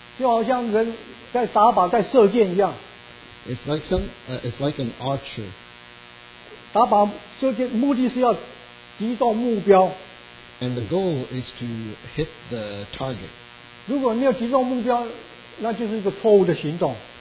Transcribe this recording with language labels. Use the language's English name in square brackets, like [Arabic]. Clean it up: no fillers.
[Chinese] 就好像人在打靶在射箭一样。 [English] It's like an archer. [Chinese] 打靶射箭目的是要击中目标。 [English] And the goal is to hit the target. [Chinese] 如果没有击中目标，那就是一个错误的行动。